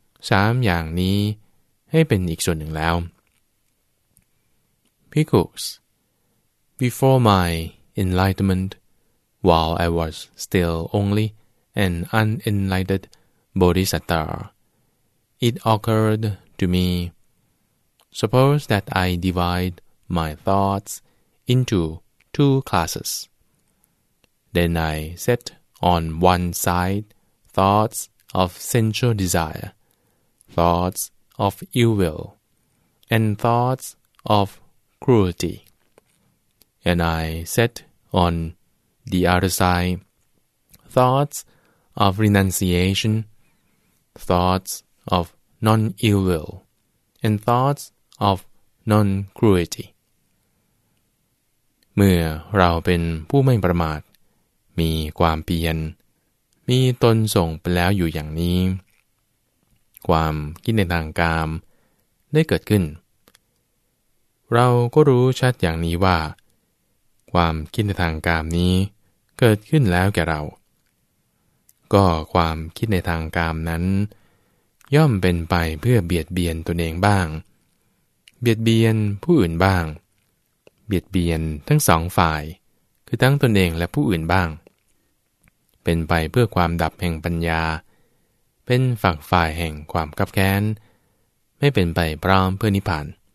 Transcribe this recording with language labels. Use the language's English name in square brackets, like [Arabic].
[Thai] สามอย่างนี้ให้เป็นอีกส่วนหนึ่งแล้ว [English] Bhikkhus Before my enlightenment while I was still only an unenlightened bodhisattva it occurred to meSuppose that I divide my thoughts into two classes. Then I set on one side thoughts of sensual desire, thoughts of ill will, and thoughts of cruelty. And I set on the other side thoughts of renunciation, thoughts of non-ill will, and thoughts. Of non-cruelty. [Thai] เมื่อเราเป็นผู้ไม่ประมาทมีความเพียรมีตนส่งไปแล้วอยู่อย่างนี้ความคิดในทางกามได้เกิดขึ้น เราก็รู้ชัดอย่างนี้ว่าความคิดในทางกามนี้เกิดขึ้นแล้วแก่เราก็ความคิดในทางกามนั้นย่อมเป็นไปเพื่อเบียดเบียนตนเองบ้างเบียดเบียนผู้อื่นบ้างเบียดเบียนทั้งสองฝ่ายคือทั้งตนเองและผู้อื่นบ้างเป็นไปเพื่อความดับแห่งปัญญาเป็นฝักฝ่ายแห่งความกับแค้นไม่เป็นไปพร้อมเพื่อนิพพาน